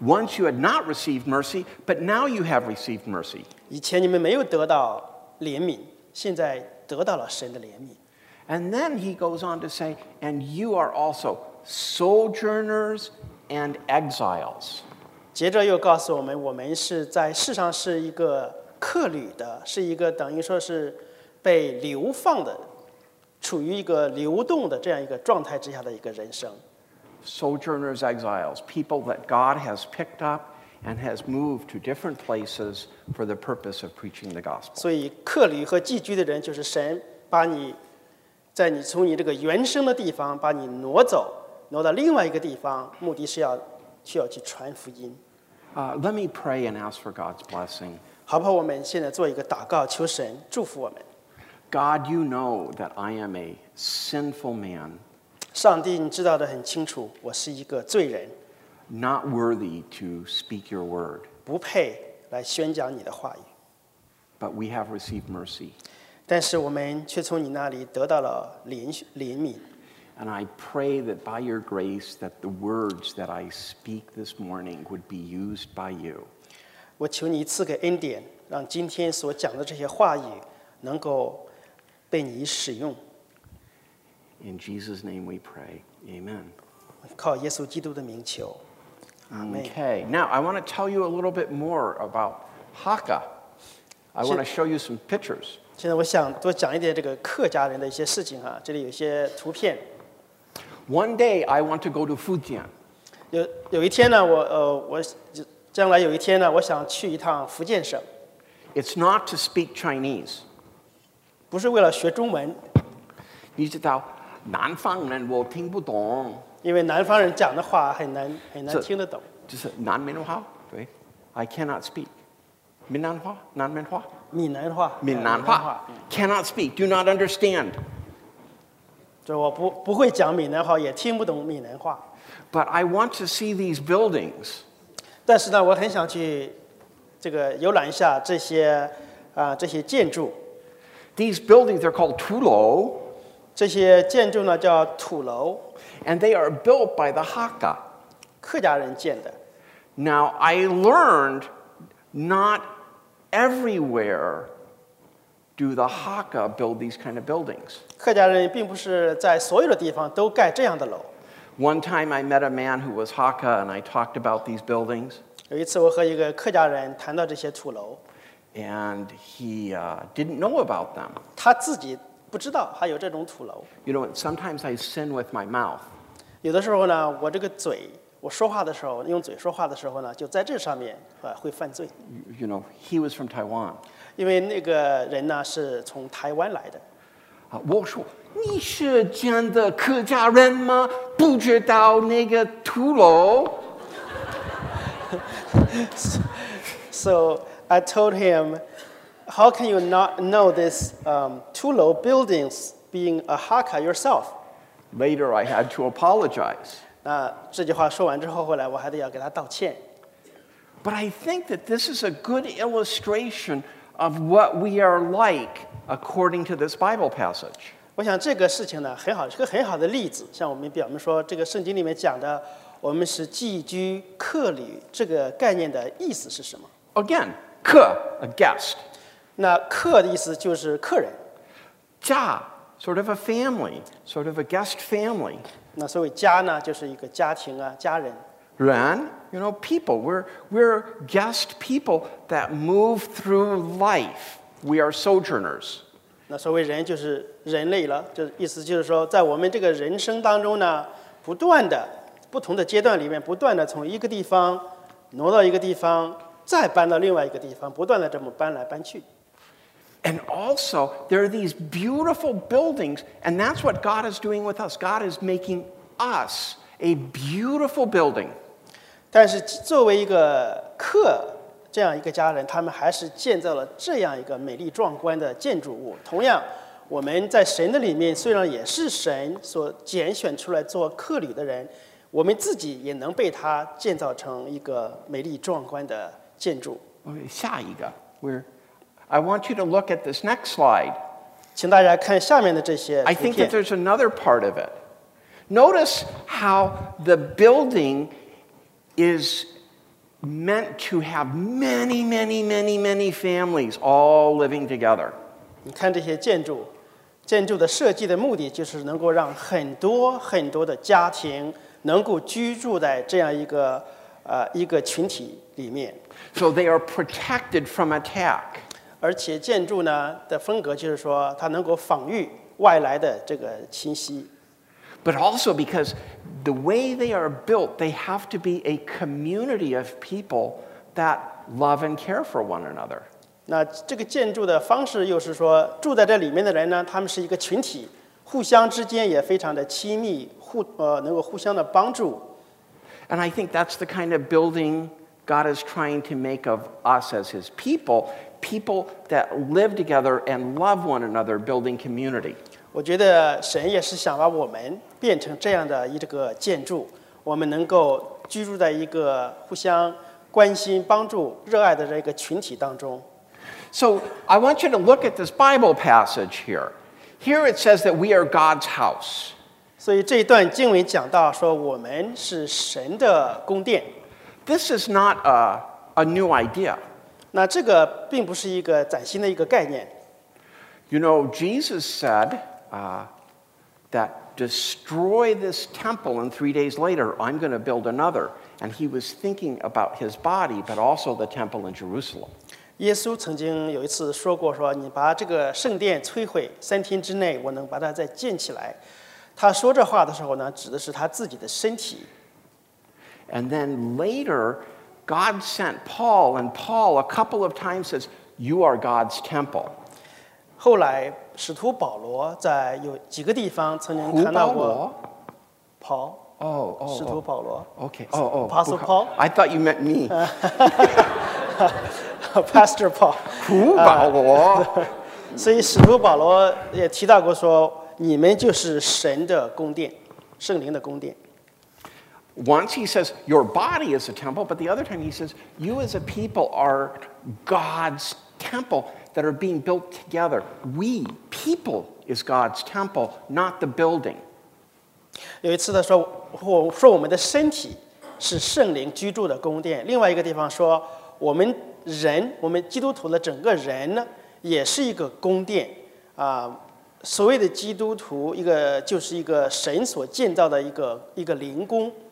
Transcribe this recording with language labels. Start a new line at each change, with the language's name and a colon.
English: Once you had not received mercy, but now you have received mercy.
Chinese: 以前你们没有得到怜悯，现在得到了神的怜悯。
English: And then he goes on to say, "And you are also sojourners." And exiles.
Chinese: 接着又告诉我们，我们是在世上是一个客旅的，是一个等于说是被流放的，处于一个流动的这样一个状态之下的一个人生。
English: Sojourners, exiles, people that God has picked up and has moved to different places for the purpose of preaching the gospel.
Chinese: 所以客旅和寄居的人就是神把你在你从你这个原生的地方把你挪走，挪到另外一个地方，目的是要需要去传福音。
English: Let me pray and ask for God's blessing.
Chinese: 好不好？我们现在做一个祷告，求神祝福我们。
English: God, you know that I am a sinful man.
Chinese: 上帝，你知道的很清楚，我是一个罪人。
English: Not worthy to speak your word.
Chinese: 不配来宣讲你的话语。
English: But we have received mercy.
Chinese: 但是我们却从你那里得到了怜悯。
English: And I pray that by your grace, that the words that I speak this morning would be used by you.
Chinese: 我求你赐给恩典，让今天所讲的这些话语能够被你使用。
English: In Jesus' name we pray. Amen.
Chinese: 靠耶稣基督的名求。
English: Okay, now I want to tell you a little bit more about Hakka. I want to show you some pictures.
Chinese: 现在我想多讲一点这个客家人的一些事情啊，这里有些图片。
English: One day I want to go to Fujian.
Chinese: 有一天呢，我将来有一天呢，我想去一趟福建省。
English: It's not to speak Chinese.
Chinese: 不是为了学中文。你知道，南方人我听不懂。因为南方人讲的话很难听得懂。就是南闽话，对。
English: I cannot speak.
Chinese: 闽南话，南闽话。闽南话。
English: 闽南话。Cannot speak. Do not understand.
Chinese: 就我不会讲闽南话，也听不懂闽南话。
English: But I want to see these buildings.
Chinese: 但是呢，我很想去这个游览一下这些这些建筑。
English: These buildings are called 土楼。
Chinese: 这些建筑呢叫土楼。
English: And they are built by the Hakka.
Chinese: 客家人建的。
English: Now I learned, not everywhere. Do the Hakka build these kind of buildings?
Chinese: 客家人并不是在所有的地方都盖这样的楼。
English: One time I met a man who was Hakka and I talked about these buildings.
Chinese: 有一次我和一个客家人谈到这些土楼。
English: And he didn't know about them.
Chinese: 他自己不知道还有这种土楼。
English: You know, sometimes I sin with my mouth.
Chinese: 有的时候呢，我这个嘴，我说话的时候，用嘴说话的时候呢，就在这上面会犯罪。
English: You know, he was from Taiwan.
Chinese: 因为那个人呢是从台湾来的。我说你是真的客家人吗？不知道那个土楼。
English: So I told him, how can you not know this Tulo buildings being a Hakka yourself? Later I had to apologize.
Chinese: 那这句话说完之后，后来我还得要给他道歉。
English: But I think that this is a good illustration. Of what we are like according to this Bible passage.
Chinese: 我想这个事情呢很好，是个很好的例子。像我们表明说，这个圣经里面讲的，我们是寄居客旅，这个概念的意思是什么
English: ？Again, 客 a guest.
Chinese: 那客的意思就是客人。
English: 家 sort of a family, sort of a guest family.
Chinese: 那所谓家呢，就是一个家庭啊，家人。
English: 人 you know, people, we're guest people that move through life. We are sojourners.
Chinese: 那所谓人就是人类了，就意思就是说，在我们这个人生当中呢，不断的不同的阶段里面，不断的从一个地方挪到一个地方，再搬到另外一个地方，不断的这么搬来搬去。
English: And also, there are these beautiful buildings, and that's what God is doing with us. God is making us. A beautiful building.
Chinese: 但是作为一个客这样一个家人，他们还是建造了这样一个美丽壮观的建筑物。同样，我们在神的里面，虽然也是神所拣选出来做客旅的人，我们自己也能被他建造成一个美丽壮观的建筑。下一个
English: I want you to look at this next slide.
Chinese: 请大家看下面的这些图片。
English: I think that there's another part of it. Notice how the building is meant to have many, many, many, many families all living together.
Chinese: 你看这些建筑的设计的目的就是能够让很多很多的家庭能够居住在这样一个一个群体里面。
English: So they are protected from attack.
Chinese: 而且建筑呢的风格就是说它能够防御外来的这个侵袭。
English: But also because the way they are built, they have to be a community of people that love and care for one another.
Chinese: 那这个建筑的方式又是说住在这里面的人呢他们是一个群体互相之间也非常的亲密互能够互相的帮助。
English: And I think that's the kind of building God is trying to make of us as his people, people that live together and love one another, building community.
Chinese: 我觉得神也是想把我们变成这样的一个建筑，我们能够居住在一个互相关心、帮助、热爱的这个群体当中。
English: So I want you to look at this Bible passage here. Here it says that we are God's house.
Chinese: 所以这一段经文讲到说我们是神的宫殿。
English: This is not a new idea.
Chinese: 那这个并不是一个崭新的一个概念。
English: You know, Jesus said that destroy this temple and 3 days later, I'm going to build another. And he was thinking about his body, but also the temple in Jerusalem.
Chinese: 耶稣曾经有一次说过说你把这个圣殿摧毁三天之内我能把它再建起来。他说这话的时候呢指的是他自己的身体。
English: And then later, God sent Paul, and Paul a couple of times says, you are God's temple.
Chinese: 后来使徒保罗在有几个地方曾经谈到过。
English: Paul? Oh, oh,
Chinese: 使徒保罗。
English: Okay, oh, oh. Apostle Paul? I thought you meant me. Pastor Paul.
Chinese: 胡保罗。所以使徒保罗也提到过说你们就是神的宫殿圣灵的宫殿。
English: Once he says, your body is a temple, but the other time he says, you as a people are God's temple that are being built together. We, people, is God's temple, not the building.
Chinese: 有一次他说 说我们的身体是圣灵居住的宫殿。另外一个地方说我们人我们基督徒的整个人呢也是一个宫殿。所谓的基督徒一个就是一个神所建造的一个灵宫。